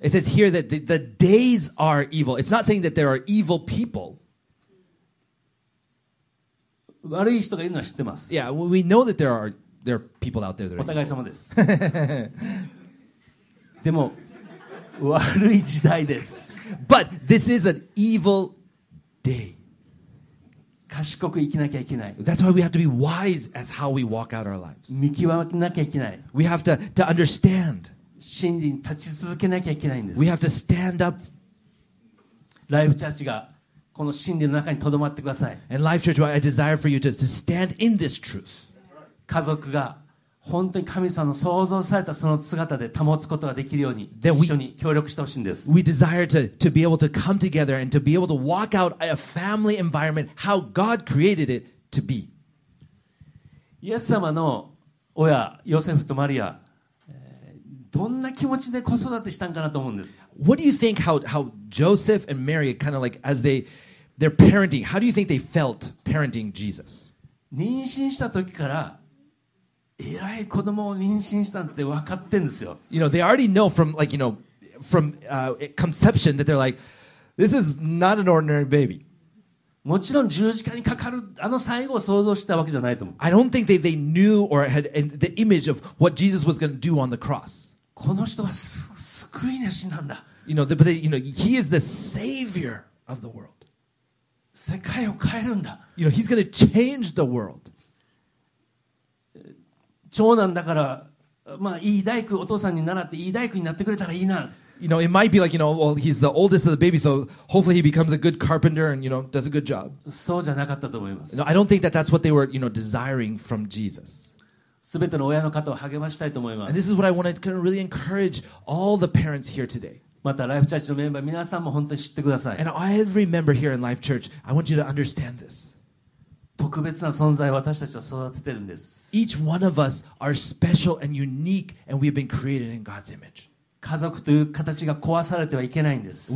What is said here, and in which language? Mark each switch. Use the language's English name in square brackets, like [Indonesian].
[English] It says here that the days are evil. It's not saying that there are evil people. [Japanese] 悪い人がいるのは知ってます。 [English] Yeah, we know that there are people out there that are. [Japanese] お互い様です。でも悪い時代です。 [English] But this is an evil day. [Japanese] 賢く生きなきゃいけない。 [English] That's why we have to be wise as how we walk out our lives. [Japanese] 見極めなきゃいけない。 [English] We have to understand. [Japanese] 真理に立ち続けなきゃいけないんです。 [English] We have to stand up. [Japanese] ライフチャーチがこの真理の中に留まってください。 [English] And Life Church, I desire for you to stand in this truth. [Japanese] 家族が本当に神様の創造されたその姿で保つことができるように一緒に協力してほしいんです。 [English] We desire to be able to come together and to be able to walk out a family environment how God created it to be. [Japanese] イエス様の親、ヨセフとマリア、どんな気持ちで子育てしたんかなと思うんです。 [English] What do you think how Joseph and Mary kind of like as they're parenting, how do you think they felt parenting Jesus? [Japanese] 妊娠した時から偉い子供を妊娠したって分かってんですよ。 [English] You know, they already know from like, you know, from conception that they're like, this is not an ordinary baby. [Japanese] もちろん十字架にかかるあの最後を想像したわけじゃないと思う。 [English] I don't think they knew or had the image of what Jesus was going to do on the cross. [Japanese] この人は救い主なんだ。 [English] You know, he is the savior of the world. [Japanese] 世界を変えるんだ。 [English] You know, he's going to change the world. [Japanese] 長男だから、まあいい大工、お父さんに習っていい大工になってくれたらいいな。 [English] You know, it might be like, you know, well, he's the oldest of the baby, so hopefully he becomes a good carpenter and, you know, does a good job. [Japanese] そうじゃなかったと思います。 [English] No, I don't think that's what they were, you know, desiring from Jesus. [Japanese] すべての親の方を励ましたいと思います。 [English] And this is what I want to kind of really encourage all the parents here today. [Japanese] また、ライフチャーチのメンバー、皆さんも本当に知ってください。 [English] And every member here in Life Church, I want you to understand this. [Japanese] 特別な存在を私たちは育ててるんです。 [English] Each one of us are special and unique, and we've been created in God's image. [Japanese] 家族という形が壊されてはいけないんです。